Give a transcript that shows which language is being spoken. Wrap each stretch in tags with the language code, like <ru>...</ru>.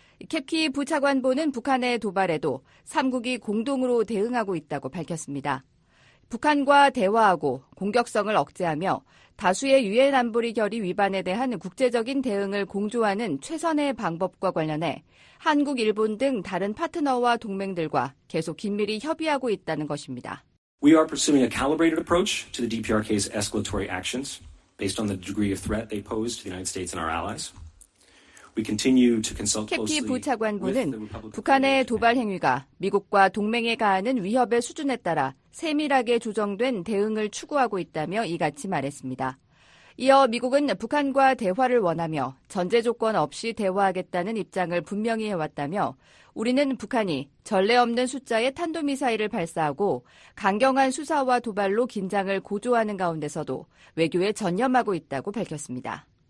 <ko>캡키 부차관보는 북한의 도발에도 3국이 공동으로 대응하고 있다고 밝혔습니다. 북한과 대화하고 공격성을 억제하며 다수의 유엔 안보리 결의 위반에 대한 국제적인 대응을 공조하는 최선의 방법과 관련해 한국, 일본 등 다른 파트너와 동맹들과 계속 긴밀히 협의하고 있다는 것입니다.</ko> <en>We are pursuing a calibrated approach to the DPRK's escalatory actions based on the degree of threat they pose to the United States and our allies.</en> <ko>캡키 부차관보는 북한의 도발 행위가 미국과 동맹에 가하는 위협의 수준에 따라 세밀하게 조정된 대응을 추구하고 있다며 이같이 말했습니다. 이어 미국은 북한과 대화를 원하며 전제 조건 없이 대화하겠다는 입장을 분명히 해왔다며 우리는 북한이 전례 없는 숫자의 탄도미사일을 발사하고 강경한 수사와 도발로 긴장을 고조하는 가운데서도 외교에 전념하고 있다고 밝혔습니다.</ko>